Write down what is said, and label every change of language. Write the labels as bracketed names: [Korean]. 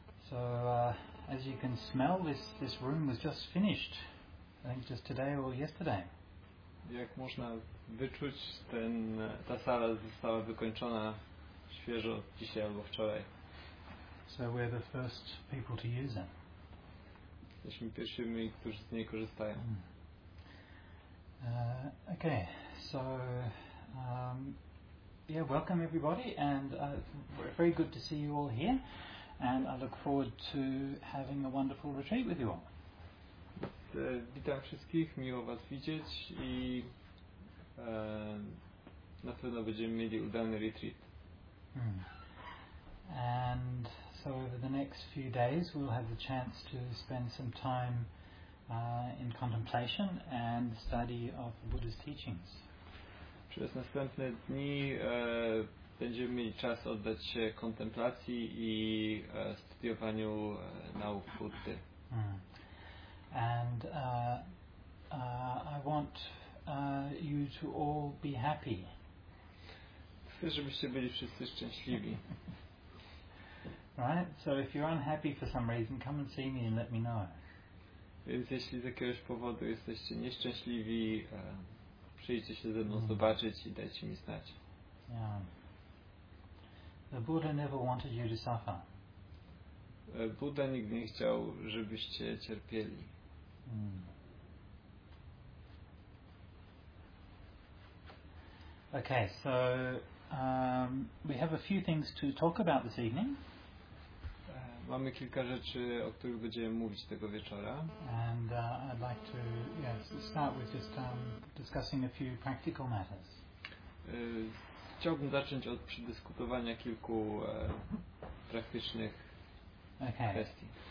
[English] So as you can smell, this room was just finished. I think just today or yesterday. [Polish] Jak można wyczuć, ta sala została wykończona świeżo dzisiaj albo wczoraj. [English] So we're the first people to use them. [Polish] Jesteśmy pierwszymi, którzy z niej korzystają. [English] Okay, so yeah, welcome everybody, and very good to see you all here, and I look forward to having a wonderful retreat with you all. [Polish] Witam wszystkich, miło was widzieć i na pewno będziemy mieli udany retreat. [English] And so over the next few days we'll have the chance to spend some time in contemplation and study of the Buddha's teachings. [Polish] Przez następne dni będziemy mieli czas oddać się kontemplacji i studiowaniu nauk Buddy. [English] And I want you to all be happy. [Polish] Chcę, żebyście byli wszyscy szczęśliwi. [English] Right? So if you're unhappy for some reason, come and see me and let me know. [Polish] Więc jeśli z jakiegoś powodu jesteście nieszczęśliwi, przyjdźcie się ze mną zobaczyć i dajcie mi znać. [English] The Buddha never wanted you to suffer. [Polish] Buddha nigdy nie chciał, żebyście cierpieli. [English] Okay, so we have a few things to talk about this evening. [Polish] Mamy kilka rzeczy, o których będziemy mówić tego wieczora. [English] And I'd like to start with just discussing a few practical matters. [Polish] Chciałbym zacząć od przedyskutowania kilku praktycznych kwestii.